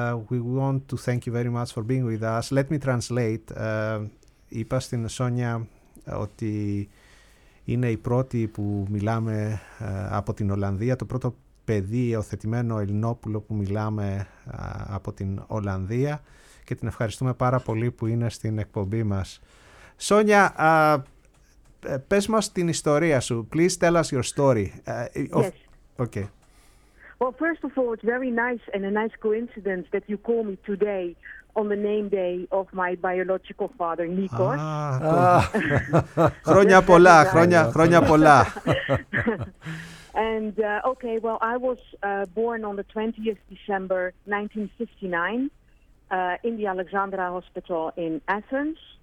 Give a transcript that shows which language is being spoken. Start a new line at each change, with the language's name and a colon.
English: We want to thank you very much for being with us. Let me translate.
Greek: Είπα στην Σόνια ότι είναι η πρώτη που μιλάμε από την Ολλανδία, το πρώτο παιδί υιοθετημένο Ελληνόπουλο που μιλάμε από την Ολλανδία και την ευχαριστούμε πάρα πολύ που είναι στην εκπομπή μας. Σόνια, πες μας την ιστορία σου.
English: Please tell us your story. Yes. Okay. Well, first of all, it's very nice and a nice coincidence that you call me today on the name day of my biological father, Nikos.
Greek: Χρόνια πολλά, χρόνια πολλά.
English: And okay, well, I was born on the 20th December 1959 in the Alexandra Hospital in Athens.